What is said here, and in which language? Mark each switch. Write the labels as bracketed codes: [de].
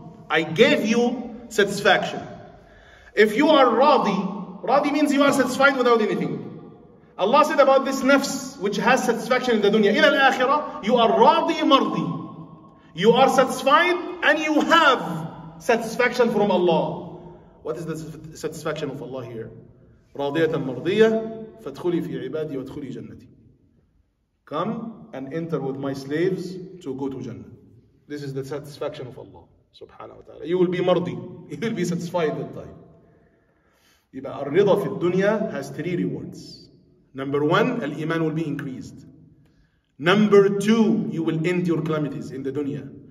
[en] I gave you satisfaction. If you are radi, radi means you are satisfied without anything. Allah said about this nafs, which has satisfaction in the dunya, [ar] إلى الآخرة, [en] you are radi mardi. You are satisfied and you have satisfaction from Allah. What is the satisfaction of Allah here? [ar] راضية مرضية فادخلي في عبادي وادخلي جنتي. [en] Come and enter with my slaves to go to Jannah. This is the satisfaction of Allah subhanahu wa ta'ala. You will be mardi. You will be satisfied that time. [ar] يبقى الرضا في الدنيا [en] has three rewards. Number one, al-iman will be increased. Number two, you will end your calamities in the dunya.